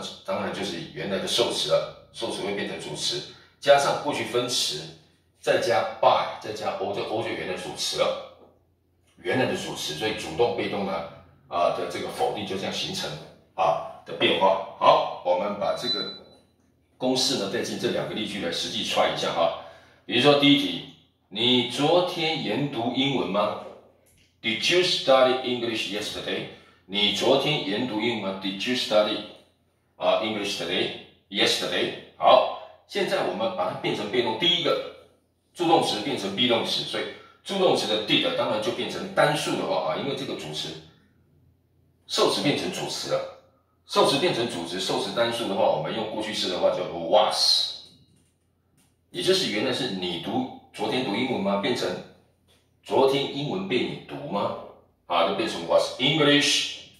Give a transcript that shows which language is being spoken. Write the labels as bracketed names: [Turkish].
[Chinese] 当然就是原来的受词了，受词会变成主词，加上过去分词，再加 by， 再加 o， 这 o 就原来的主词了，原来的主词，所以主动被动的这个否定就这样形成的变化。好，我们把这个公式呢带进这两个例句来实际串一下哈。比如说第一题，你昨天研读英文吗？ [English] Did you study English yesterday？ [Chinese] 你昨天研读英文吗？ [English] Did you study English today？ Yesterday。 [Chinese] 好，现在我们把它变成被动，第一个助动词变成 be 动词，所以助动词的 did 当然就变成单数的话因为这个主词受词变成主词了，受词变成主词，受词单数的话，我们用过去式的话叫做 was， 也就是原来是你读昨天读英文吗，变成昨天英文被你读吗就变成 was English。